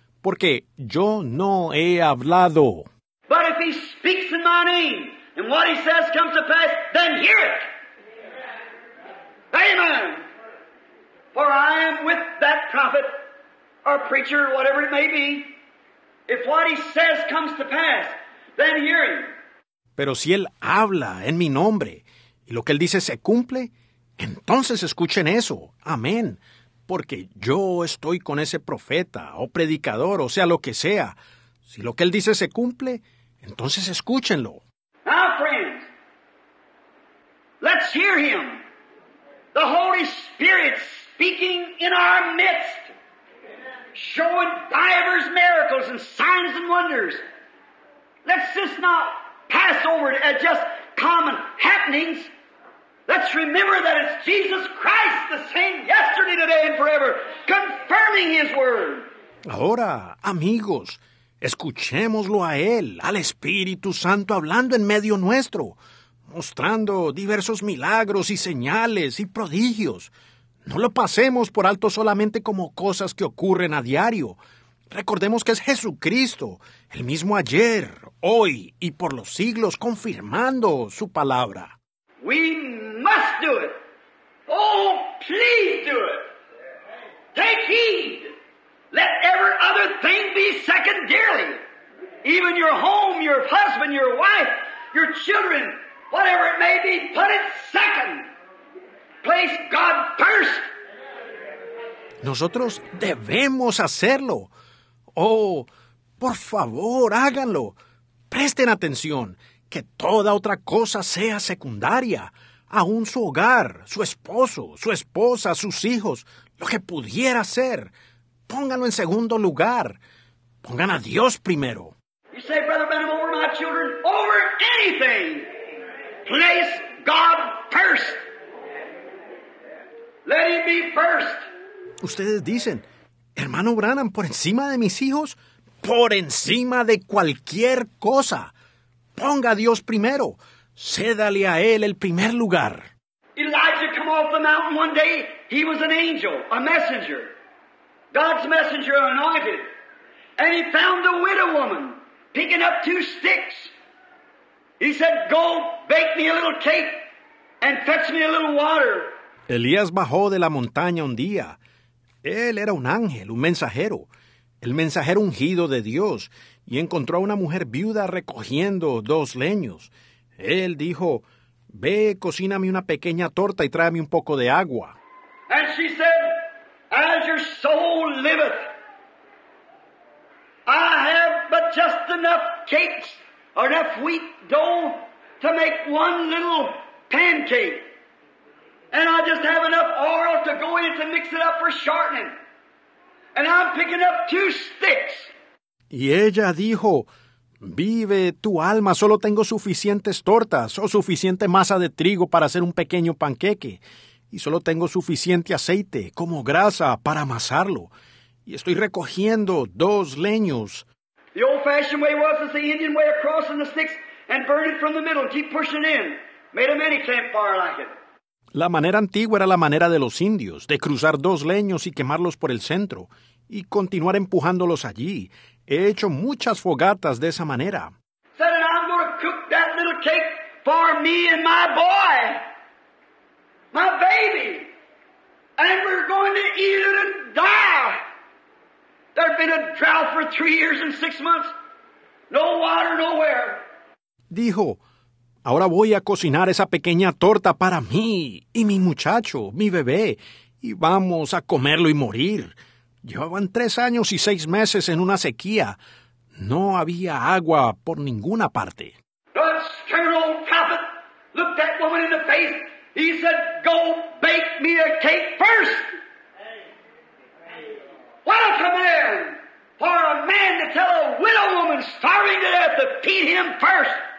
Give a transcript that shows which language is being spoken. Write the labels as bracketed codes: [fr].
[es] Porque yo no he hablado. [en] But if he speaks in my name and what he says comes to pass, then hear it. Amen. For I am with that prophet or preacher, whatever it may be. If what he says comes to pass, then hear him. [es] Pero si él habla en mi nombre y lo que él dice se cumple, entonces escuchen eso. Amén. Porque yo estoy con ese profeta o predicador, o sea, lo que sea. Si lo que él dice se cumple, entonces escúchenlo. [en] Now, friends, let's hear him. The Holy Spirit speaking in our midst, showing divers miracles and signs and wonders. Let's just not pass over it as just common happenings. Let's remember that it's Jesus Christ, the same yesterday, today, and forever, confirming his word. [es] Ahora, amigos, escuchémoslo a él, al Espíritu Santo, hablando en medio nuestro, mostrando diversos milagros y señales y prodigios. No lo pasemos por alto solamente como cosas que ocurren a diario. Recordemos que es Jesucristo, el mismo ayer, hoy y por los siglos, confirmando su palabra. [en] We must do it. Oh, please do it. Take heed. Let every other thing be secondary. Even your home, your husband, your wife, your children, whatever it may be, put it second. Place God first. [es] Nosotros debemos hacerlo. Oh, por favor, háganlo. Presten atención, que toda otra cosa sea secundaria. Aún su hogar, su esposo, su esposa, sus hijos, lo que pudiera ser. Pónganlo en segundo lugar. Pongan a Dios primero. [en] You say, Brother Benham, over my children, over anything, place God first. Let him be first. [es] Ustedes dicen, hermano Branham, por encima de mis hijos, por encima de cualquier cosa. Ponga a Dios primero. Cédale a Él el primer lugar. [en] Elijah came off the mountain one day. He was an angel, a messenger. God's messenger anointed. And he found a widow woman picking up two sticks. He said, go bake me a little cake and fetch me a little water. [es] Elías bajó de la montaña un día. Él era un ángel, un mensajero, el mensajero ungido de Dios, y encontró a una mujer viuda recogiendo dos leños. Él dijo, ve, cocíname una pequeña torta y tráeme un poco de agua. [en] And she said, as your soul liveth, I have but just enough cakes or enough wheat dough to make one little pancake. And I just have enough oil to go in to mix it up for shortening. And I'm picking up two sticks. [es] Y ella dijo, vive tu alma, solo tengo suficientes tortas o suficiente masa de trigo para hacer un pequeño panqueque. Y solo tengo suficiente aceite como grasa para amasarlo. Y estoy recogiendo dos leños. [en] The old-fashioned way was the Indian way of crossing the sticks and burn it from the middle and keep pushing in. Made a many campfire like it. [es] La manera antigua era la manera de los indios, de cruzar dos leños y quemarlos por el centro, y continuar empujándolos allí. He hecho muchas fogatas de esa manera. [en] Said, I'm going to cook that little cake for me and my boy, my baby, and we're going to eat it and die. There's been a drought for 3 years and 6 months. No water nowhere. [es] Dijo, ahora voy a cocinar esa pequeña torta para mí y mi muchacho, mi bebé, y vamos a comerlo y morir. Llevaban 3 años y 6 meses en una sequía. No había agua por ninguna parte. [en] The stern old prophet looked that woman in the face. He said, go bake me a cake first. What a command for a man to tell a widow woman starving to death to feed him first.